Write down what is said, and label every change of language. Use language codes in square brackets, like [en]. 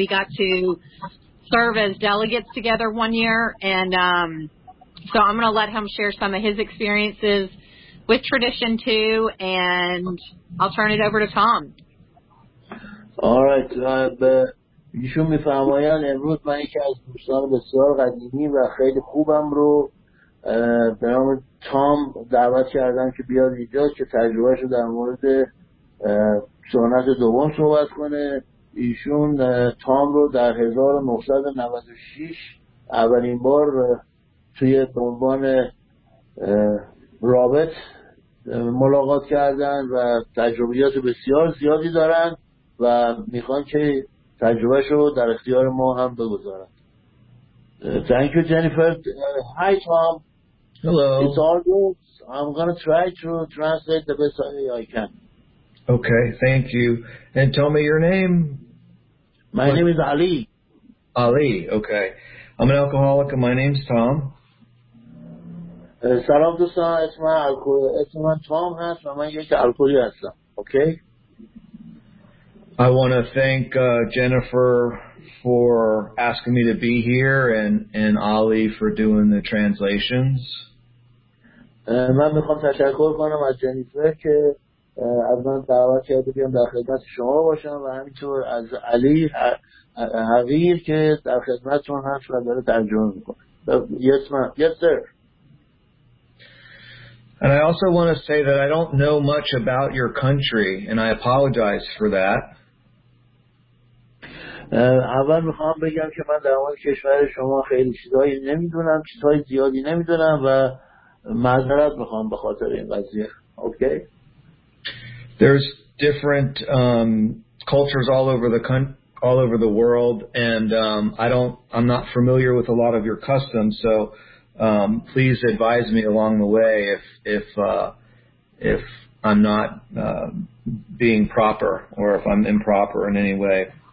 [en] We got to serve as delegates together 1 year, and so I'm going to let him share some of his experiences with Tradition 2, and I'll turn it over to Tom. All right. [fa] ایشون می‌فرمایند امروز من یکی از دوستان بسیار قدیمی و خیلی خوبم رو به نام تام دعوت کردم که بیاد اینجا که تجربهش رو در مورد سنت دوم صحبت کنه. ایشون تام رو در 1996 اولین بار توی عنوان رابط ملاقات کردن و تجربیات بسیار زیادی دارن و میخوان که تجربهش رو در اختیار ما هم بگذارن. [en] Thank you, Jennifer. Hi, Tom. Hello. It's all good. I'm going to try to translate the best way I can. Okay, thank you. And tell me your name. My name is Ali. Ali, okay. I'm an alcoholic and my name's Tom. [fa] سلام دوستان، اسم من تام هست و من یک الکلی هستم. [en] Okay. I want to thank Jennifer for asking me to be here and Ali for doing the translations. [fa] من میخوام تشکر کنم از جنیفر که از من دعوت کرده بیام در خدمت شما باشم و همینطور از علی حقیر که در خدمتتون هست و داره ترجمه میکنه. [en] Yes, ma'am. Yes, sir. And I also want to say that I don't know much about your country, and I apologize for that. [fa] اول میخوام بگم که من در مورد کشور شما خیلی چیزایی نمیدونم، چیزای زیادی نمیدونم و معذرت میخوام به خاطر این قضیه. [en] Okay. There's different cultures all over the world, and I'm not familiar with a lot of your customs, so. Please advise me along the way if I'm not being proper or if I'm improper in any way.